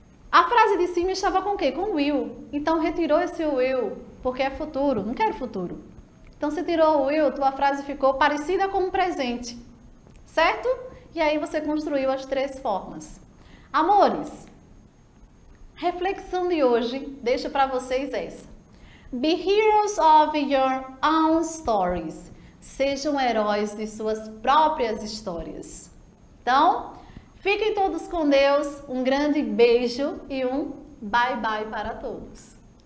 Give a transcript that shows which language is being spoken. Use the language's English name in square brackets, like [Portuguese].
[Portuguese] A frase de cima estava com o quê? Com will. Então retirou esse will, porque é futuro, não quero futuro. Então você tirou o will, tua frase ficou parecida com o presente. Certo? E aí você construiu as três formas. Amores, reflexão de hoje, deixo para vocês essa. [English] Be heroes of your own stories. [Portuguese] Sejam heróis de suas próprias histórias. Então, fiquem todos com Deus, um grande beijo e um bye bye para todos.